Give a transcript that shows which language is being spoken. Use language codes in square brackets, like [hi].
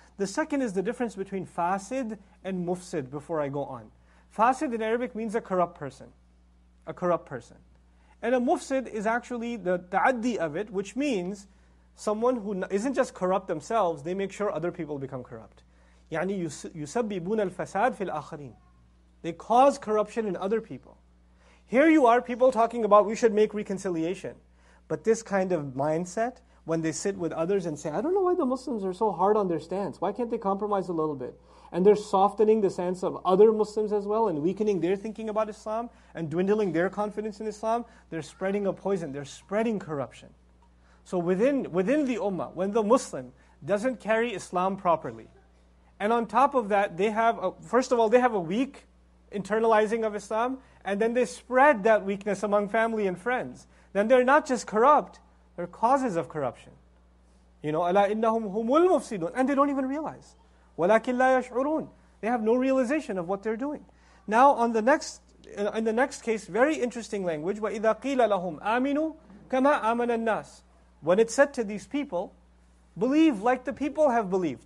[en] The second is the difference between fasid and mufsid, before I go on. Fasid in Arabic means a corrupt person. A corrupt person. And a mufsid is actually the ta'addi of it, which means someone who isn't just corrupt themselves, they make sure other people become corrupt. [ar] يعني يسببون الفساد في الآخرين. [en] They cause corruption in other people. Here you are, people talking about we should make reconciliation. But this kind of mindset, when they sit with others and say, "I don't know why the Muslims are so hard on their stance. Why can't they compromise a little bit?" And they're softening the stance of other Muslims as well and weakening their thinking about Islam and dwindling their confidence in Islam. They're spreading a poison. They're spreading corruption. So within the Ummah, when the Muslim doesn't carry Islam properly, and on top of that, they have a weak internalizing of Islam, and then they spread that weakness among family and friends. Then they're not just corrupt, they're causes of corruption. You know, [ar] أَلَا إِنَّهُمْ هُمُ الْمُفْسِدُونَ. [en] And they don't even realize. [ar] وَلَكِنْ لَا يَشْعُرُونَ. [en] They have no realization of what they're doing. Now, in the next case, very interesting language, [ar] وَإِذَا قِيلَ لَهُمْ آمِنُوا كَمَا آمَنَ النَّاسِ. [en] When it's said to these people, believe like the people have believed.